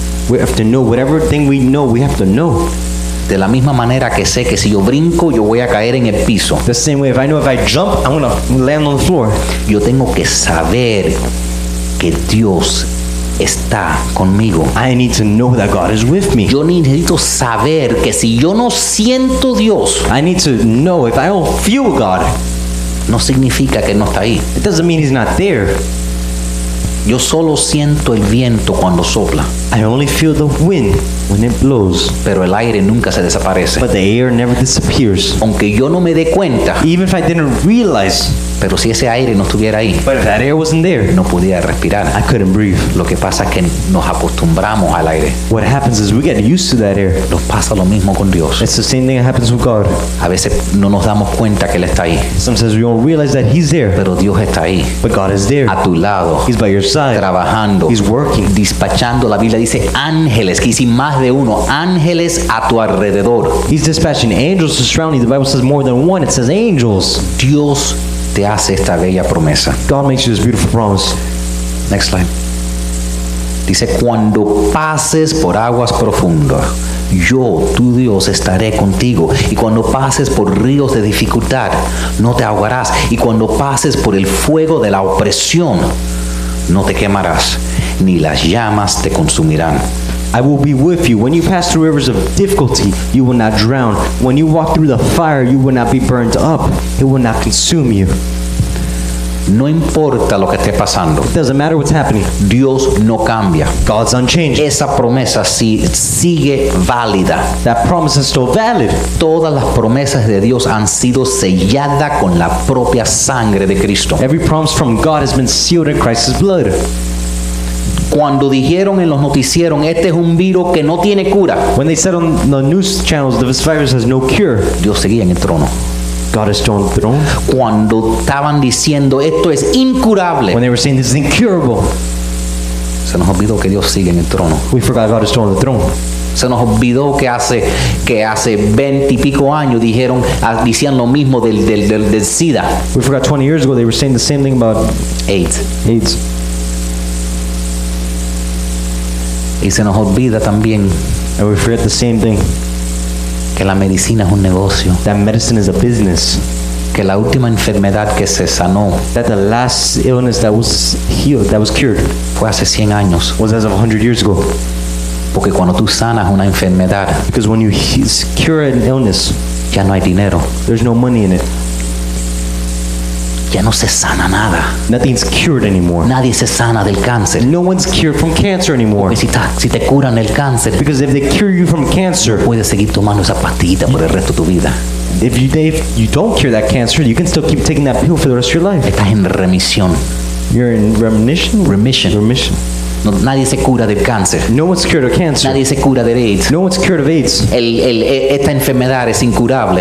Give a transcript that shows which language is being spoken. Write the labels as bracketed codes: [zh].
[en] We have to know whatever thing we know. [es] De la misma manera que sé que si yo brinco, yo voy a caer en el piso. [en] The same way, if I know if I jump, I'm gonna land on the floor. [es] Yo tengo que saber que Dios está conmigo. [en] I need to know that God is with me. [es] Yo necesito saber que si yo no siento Dios, [en] I need to know if I don't feel God. [es] No significa que no está ahí. [en] It doesn't mean he's not there. [es] Yo solo siento el viento cuando sopla. [en] I only feel the wind when it blows. [es] Pero el aire nunca se desaparece. [en] But the air never disappears. [es] Aunque yo no me dé cuenta. [en] Even if I didn't realize. [es] Pero si ese aire no estuviera ahí. [en] But if that air wasn't there. [es] No pudiera respirar. [en] I couldn't breathe. [es] Lo que pasa es que nos acostumbramos al aire. [en] What happens is we get used to that air. [es] Nos pasa lo mismo con Dios. [en] It's the same thing that happens with God. [es] A veces no nos damos cuenta que Él está ahí. [en] Sometimes we don't realize that He's there. [es] Pero Dios está ahí. [en] But God is there. [es] A tu lado. [en] He's by your side. [es] Trabajando. [en] He's working. [es] Despachando. La Biblia dice ángeles. Que hicimos más de uno. Ángeles a tu alrededor. [en] He's dispatching angels to surround you. The Bible says more than one. It says angels. [es] Dios te hace esta bella promesa. [en] God makes you this beautiful promise. Next slide. [es] Dice, cuando pases por aguas profundas, yo, tu Dios, estaré contigo. Y cuando pases por ríos de dificultad, no te ahogarás. Y cuando pases por el fuego de la opresión, no te quemarás, ni las llamas te consumirán. [en] I will be with you. When you pass through rivers of difficulty, you will not drown. When you walk through the fire, you will not be burnt up. It will not consume you. [es] No importa lo que esté pasando. [en] It doesn't matter what's happening. [es] Dios no cambia. [en] God's unchanged. [es] Esa promesa sigue válida. [en] That promise is still valid. [es] Todas las promesas de Dios han sido selladas con la propia sangre de Cristo. [en] Every promise from God has been sealed in Christ's blood. [es] Cuando dijeron en los noticieros, este es un virus que no tiene cura. [en] When they said on the news channels, this virus has no cure. [es] Dios seguía en el trono. [en] God is still on the throne. [es] Cuando estaban diciendo, esto es incurable. [en] When they were saying, this is incurable. [es] Se nos olvidó que Dios sigue en el trono. [en] We forgot God is still on the throne. [es] Se nos olvidó que hace 20 y pico años decían lo mismo del SIDA. [en] We forgot 20 years ago, they were saying the same thing about AIDS. [es] Y se nos olvida también, [en] and we forget the same thing, [es] que la medicina es un negocio. [en] That medicine is a business. [es] Que la última enfermedad que se sanó, [en] that the last illness that was healed, that was cured, [es] fue hace 100 años, [en] was as of 100 years ago. [es] Porque cuando tú sanas una enfermedad, [en] because when you cure an illness, [es] ya no hay dinero. [en] There's no money in it. [es] Ya no se sana nada. [en] Nothing's cured anymore. [es] Nadie se sana del cáncer. [en] No one's cured from cancer anymore. [es] Si te curan el cáncer, [en] because if they cure you from cancer, [es] puedes seguir tomando esa pastillita por el resto de tu vida. [en] If you don't cure that cancer, you can still keep taking that pill for the rest of your life. [es] Estás en remisión. [en] You're in remission. Remission. Remission. [es] No, nadie se cura del cáncer. [en] No one's cured of cancer. [es] Nadie se cura del AIDS. [en] No one's cured of AIDS. [es] Esta enfermedad es incurable.